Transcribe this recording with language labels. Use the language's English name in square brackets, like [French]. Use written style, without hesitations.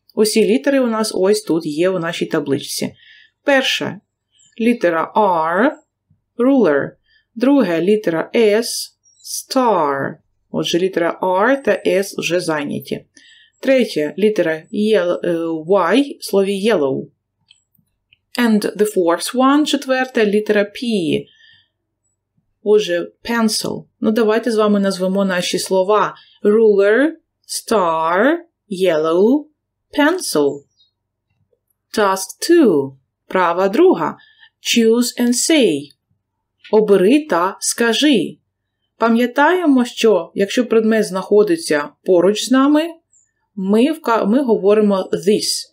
[Ukrainian] Усі літери у нас ось тут є у нашій табличці. Перша. Літера R. Ruler. Друга. Літера S. Star. Отже, літера R та S вже зайняті. Третя. Літера Y. Слові yellow. [English] And the fourth one, [Ukrainian] четверта, літера P, уже [English] pencil. [Ukrainian] Ну, давайте з вами назвемо наші слова. [English] Ruler, star, yellow, pencil. Task two, [Ukrainian] права друга. [English] Choose and say. [Ukrainian] Обери та скажи. Пам'ятаємо, що якщо предмет знаходиться поруч з нами, ми говоримо this.